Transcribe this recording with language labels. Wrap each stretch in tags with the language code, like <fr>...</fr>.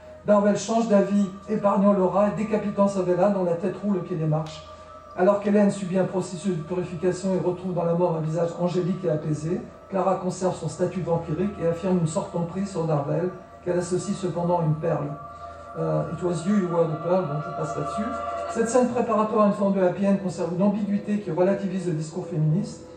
<fr>Darvel change d'avis, épargnant Laura et décapitant Savella, dont la tête roule au pied des marches. Alors qu'Hélène subit un processus de purification et retrouve dans la mort un visage angélique et apaisé, Clara conserve son statut vampirique et affirme une sorte d'emprise sur Darvel, qu'elle associe cependant à une perle.</fr> <en>It was you, you were the pearl,</en> <fr>bon, je passe là-dessus. Cette scène préparatoire à une forme de happy end conserve une ambiguïté qui relativise le discours féministe.</fr>